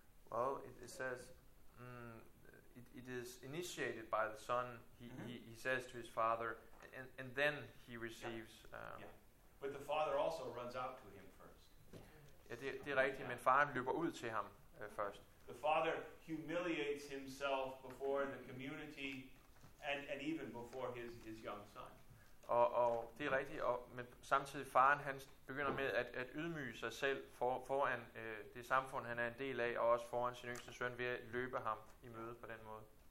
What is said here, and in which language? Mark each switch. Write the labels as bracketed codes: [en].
[en] Well, it says it is initiated by the son. He says to his father, and then he receives. Yeah. But the father also runs out to him first. [da] Ja, det er rigtigt, men faren løber ud til ham først. [en] The father humiliates himself before the community and even before his young son. [da] Og det er rigtigt, men samtidig faren han begynder med at ydmyge sig selv foran det samfund han er en del af, og også foran sin yngste søn ved at løbe ham i møde på den måde.